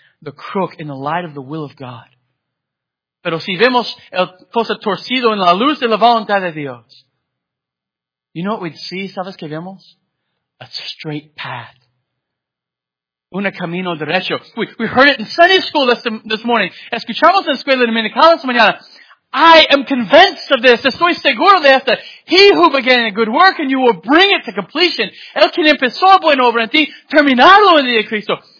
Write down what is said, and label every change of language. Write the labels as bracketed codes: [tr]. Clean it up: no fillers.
[en] the crook in the light of the will of God. [es] Pero si vemos el cosa torcido en la luz de la voluntad de Dios. [en] You know what we'd see, [es] ¿sabes qué vemos? [en] A straight path. [es] Un camino derecho. [en] We heard it in Sunday school this morning. [es] Escuchamos en escuela dominical esta mañana. [en] I am convinced of this. [es] Estoy seguro de esto. [en] He who began a good work and you will bring it to completion. [es] El quien empezó a buena obra en ti, terminarlo en día de Cristo.